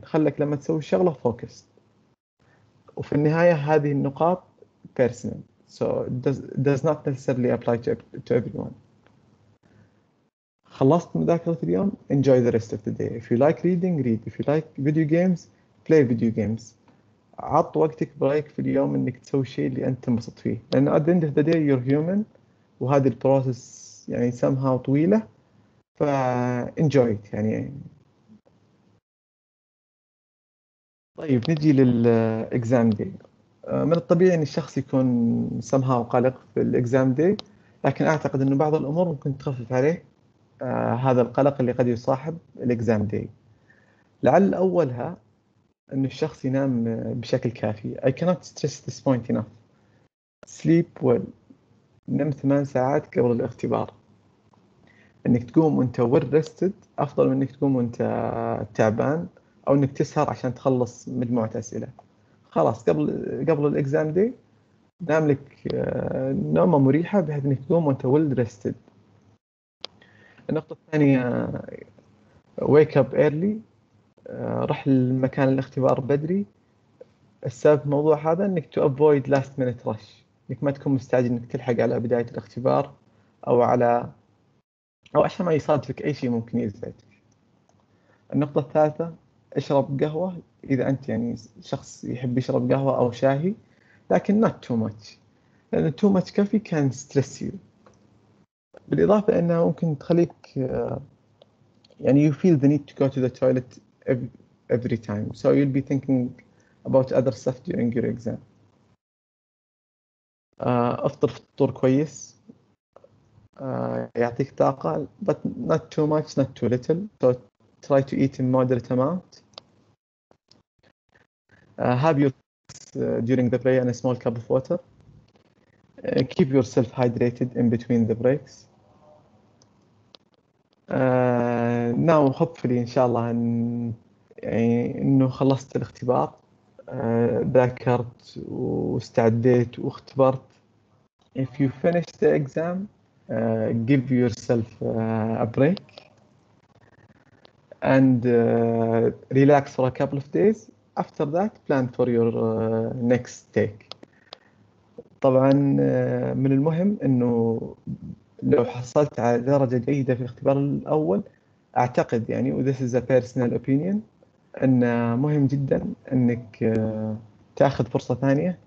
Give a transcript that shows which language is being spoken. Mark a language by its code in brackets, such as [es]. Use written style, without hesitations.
[ar] خلك لما تسوي شغلة focus. وفي النهاية هذه النقاط personal. [en] So it does not necessarily apply to everyone. [ar] خلصت مذاكرة اليوم. [en] Enjoy the rest of the day. If you like reading, read. If you like video games, play video games. [ar] عط وقتك بريك في اليوم إنك تسوي شيء اللي أنت مبسوط فيه. [en] لأن at the end of the day you're human. [ar] وهذه البروسس يعني somehow طويلة. ف [en] enjoy it [ar] يعني. طيب نجي للإكزام دي. من الطبيعي أن الشخص يكون somehow قلق في الإكزام دي. لكن أعتقد أنه بعض الأمور ممكن تخفف عليه هذا القلق اللي قد يصاحب الإكزام دي. لعل أولها أن الشخص ينام بشكل كافي. [en] I cannot stress this point enough. Sleep well. [ar] نم 8 ساعات قبل الاختبار. إنك تقوم وأنت [en] well rested [ar] أفضل من إنك تقوم وأنت تعبان أو إنك تسهر عشان تخلص مجموعة أسئلة. خلاص قبل الإكزام دي نام لك نومة مريحة بحيث إنك تقوم وأنت [en] well rested. [ar] النقطة الثانية [en] wake up early. [ar] رح المكان الاختبار بدري. السبب موضوع هذا إنك [en] to avoid last minute rush. [ar] إنك ما تكون مستعجل إنك تلحق على بداية الاختبار أو عشان ما يصادفك أي شيء ممكن يزعجك. النقطة الثالثة اشرب قهوة إذا أنت يعني شخص يحب يشرب قهوة أو شاهي, لكن [en] not too much [ar] لأن [en] too much coffee can stress you. [ar] بالإضافة إنه ممكن تخليك يعني [en] you feel the need to go to the toilet every time, so you'll be thinking about other stuff during your exam. [ar] أفطر فطور كويس يعطيك طاقة, [en] but not too much, not too little. So try to eat in moderate amount. Have your drinks during the break and a small cup of water. Keep yourself hydrated in between the breaks. Now hopefully, inshallah, [ar] إنه خلصت الاختبار, ذاكرت واستعديت واختبرت. [en] If you finish the exam, give yourself a break and relax for a couple of days. After that, plan for your next take. [ar] طبعا من المهم انه لو حصلت على درجة جيدة في الاختبار الأول, أعتقد يعني, [en] this is a personal opinion, [ar] أن مهم جدا أنك تأخذ فرصة ثانية.